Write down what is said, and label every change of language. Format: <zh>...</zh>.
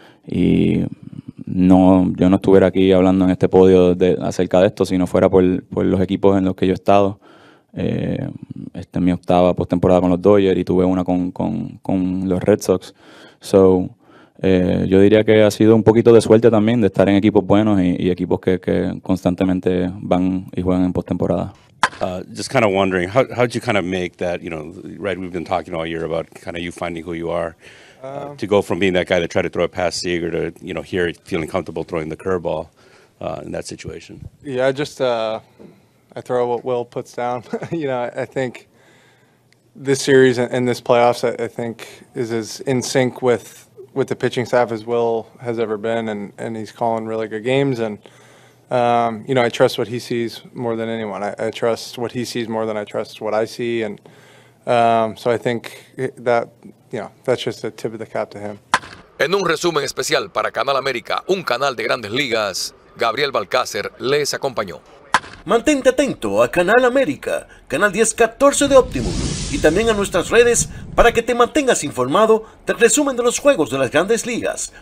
<es>Y no, yo no estuviera aquí hablando en este podio acerca de esto si no fuera por los equipos en los que yo he estado. Esta es mi octava postemporada con los Dodgers y tuve una con los Red Sox. So, Yo diría que ha sido un poquito de suerte también de estar en equipos buenos y equipos que constantemente van y juegan en postemporada.</es> <en>Just kind of wondering, how did you kind of make that, you know, right, we've been talking all year about kind of you finding who you are, to go from being that guy that tried to throw a pass Seager to, you know, here feeling comfortable throwing the curveball in that situation. Yeah, just I throw what Will puts down. You know, I think this series and this playoffs, I think, is as in sync with the pitching staff as Will has ever been, and he's calling really good games. And you know, I trust what he sees more than anyone. I trust what he sees more than I trust what I see. And so I think that, you know, that's just a tip of the cap to him.</en> <es>En un resumen especial para Canal América, un canal de Grandes Ligas, Gabriel Balcácer les acompañó. Mantente atento a Canal América, Canal 1014 de Optimum, y también a nuestras redes para que te mantengas informado del resumen de los juegos de las Grandes Ligas.</es>